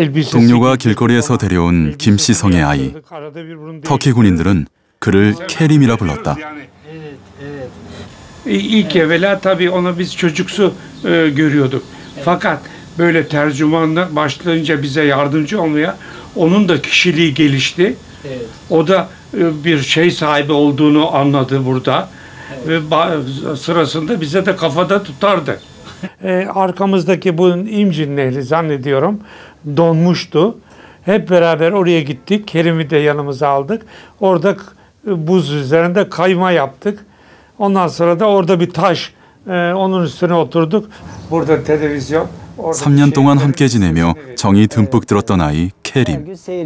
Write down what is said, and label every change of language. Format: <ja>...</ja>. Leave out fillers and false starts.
<ko>동료가 길거리에서 데려온 김씨 성의 아이. 터키 군인들은 그를 케림이라 불렀다.</ko> <tr>이일 evvela tabii ona biz çocuksu görüyorduk. Fakat böyle tercümanla başlayınca bize yardımcı olmaya onun da kişiliği gelişti. O da bir şey sahibi olduğunu anladı burada ve sırasında bize de kafada tutardı. Arkamızdaki bu İmcin Nehri zannediyorum donmuştu. Hep beraber oraya gittik. Kerim'i de yanımıza aldık. Orada buz üzerinde kayma yaptık. Ondan sonra da orada bir taş onun üstüne oturduk. Burada televizyon.</tr> <ko>3년 동안 함께 지내며 정이 듬뿍 들었던 아이 Kerim.</ko>